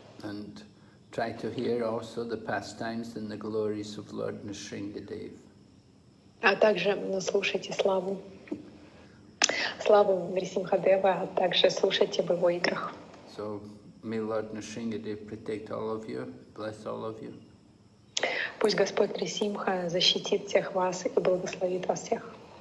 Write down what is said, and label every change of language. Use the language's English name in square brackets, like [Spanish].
[English] And try to hear also the pastimes and the glories of Lord Nrisingadeva. [Russian] А также слушайте славу. Славу Нрисимхадева, а также слушайте в его играх. [English] So may Lord Nrisingadeva protect all of you, bless all of you. [Russian] Пусть Господь Нрисимха защитит всех вас и благословит вас всех.